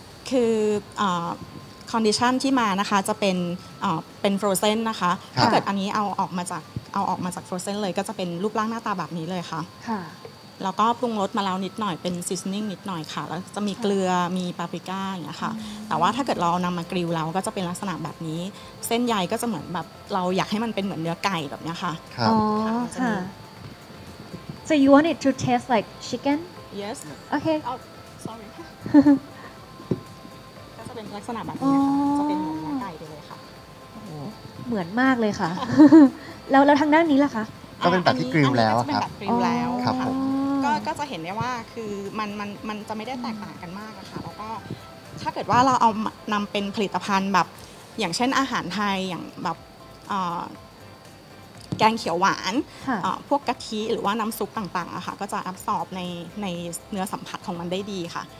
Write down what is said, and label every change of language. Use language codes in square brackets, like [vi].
[th] คื อ condition ที่มานะคะจะเป็นเป็น frozen นะคะถ้าเกิดอันนี้เอาออกมาจาก frozen เลยก็จะเป็นรูปร่างหน้าตาแบบนี้เลยค่ะ ค่ะ แล้วก็ปรุงรสมาแล้วนิดหน่อยเป็น seasoning นิดหน่อยค่ะแล้วจะมีเกลือมีปาปริก้าอย่างเงี้ยค่ะแต่ว่าถ้าเกิดเรานำมากริลแล้วก็จะเป็นลักษณะแบบนี้เส้นใยก็จะเหมือนแบบเราอยากให้มันเป็นเหมือนเนื้อไก่แบบเนี้ยค่ะ อ๋อ [en] ค่ะSo you want it to taste like chicken? Yes. Okay. Oh, sorry. [th] ก็จะเป็นลักษณะแบบนี้ค่ะจะเป็นเนื้อไก่เลยค่ะ เหมือนมากเลยค่ะแล้วทางด้านนี้ล่ะคะ ก็เป็นแบบที่กริลแล้วครับ เป็นแบบกริลแล้ว ครับ ก็จะเห็นได้ว่าคือมันจะไม่ได้แตกต่างกันมากอะค่ะแล้วก็ถ้าเกิดว่าเราเอานำเป็นผลิตภัณฑ์แบบอย่างเช่นอาหารไทยอย่างแบบแกงเขียวหวานพวกกะทิหรือว่าน้ำซุปต่างๆอะค่ะก็จะแอบซอบในเนื้อสัมผัสของมันได้ดีค่ะ